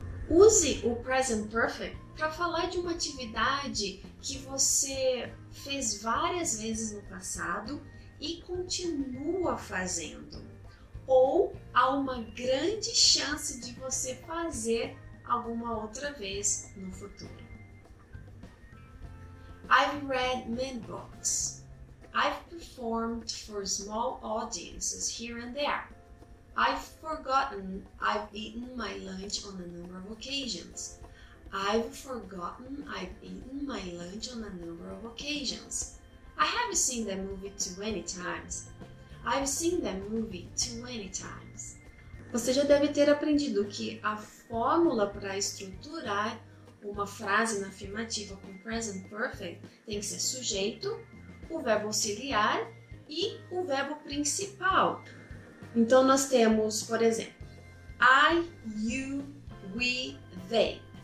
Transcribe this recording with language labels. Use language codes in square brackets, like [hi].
[pt] Use o present perfect para falar de uma atividade que você fez várias vezes no passado e continua fazendo, ou há uma grande chance de você fazer alguma outra vez no futuro. [en] I've read many books. I've performed for small audiences here and there. I've forgotten I've eaten my lunch on a number of occasions. I've forgotten I've eaten my lunch on a number of occasions. I haven't seen that movie too many times. I've seen that movie too many times. [pt] Você já deve ter aprendido que a fórmula para estruturar uma frase na afirmativa com present perfect tem que ser sujeito, o verbo auxiliar e o verbo principal. Então nós temos, por exemplo, [en] I, you, we, they.